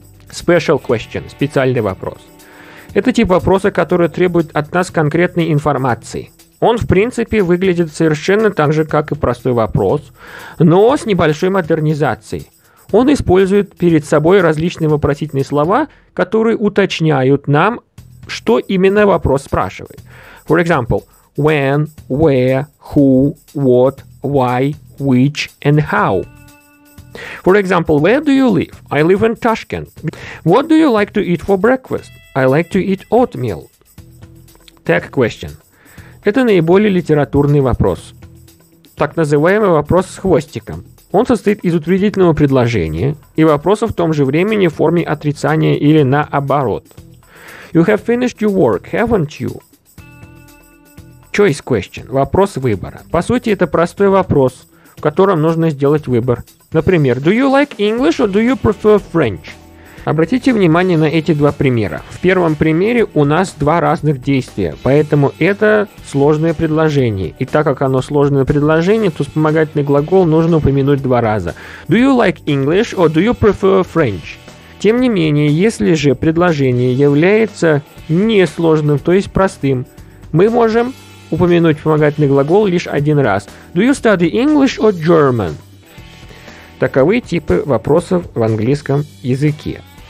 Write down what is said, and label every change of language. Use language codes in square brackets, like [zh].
[en] Special question [ru] – специальный вопрос. Это тип вопроса, который требует от нас конкретной информации. Он, в принципе, выглядит совершенно так же, как и простой вопрос, но с небольшой модернизацией. Он использует перед собой различные вопросительные слова, которые уточняют нам, что именно вопрос спрашивает. [en] For example, when, where, who, what, why, which and how. For example, where do you live? I live in Tashkent. What do you like to eat for breakfast? I like to eat oatmeal. Tag question. [ru] Это наиболее литературный вопрос. Так называемый вопрос с хвостиком. Он состоит из утвердительного предложения и вопроса в том же времени в форме отрицания или наоборот. [en] You have finished your work, haven't you? Choice question. [ru] Вопрос выбора. По сути, это простой вопрос, в котором нужно сделать выбор. Например, [en] do you like English or do you prefer French? [ru] Обратите внимание на эти два примера. В первом примере у нас два разных действия, поэтому это сложное предложение. И так как оно сложное предложение, то вспомогательный глагол нужно упомянуть два раза. [en] Do you like English or do you prefer French? [ru] Тем не менее, если же предложение является несложным, то есть простым, мы можем упомянуть вспомогательный глагол лишь один раз. [en] Do you study English or German? [ru] Таковы типы вопросов в английском языке.